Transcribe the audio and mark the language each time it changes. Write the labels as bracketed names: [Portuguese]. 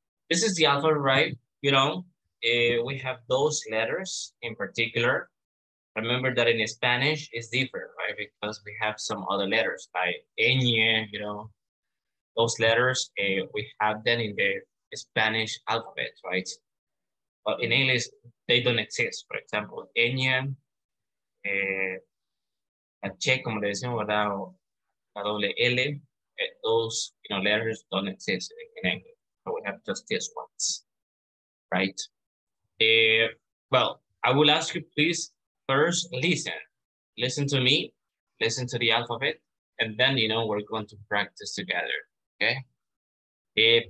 [English] This is the alphabet, right? You know, we have those letters in particular. Remember that in Spanish, it's different, right? Because we have some other letters, like ñ, you know. Those letters, we have them in the Spanish alphabet, right? But in English, they don't exist. For example, [Spanish] ñ, la che, como le decimos, ¿verdad? La doble L, [English] those, you know, letters don't exist in English. So we have just these ones, right? Well, I will ask you, please, first, listen. Listen to me, listen to the alphabet, and then, you know, we're going to practice together, okay?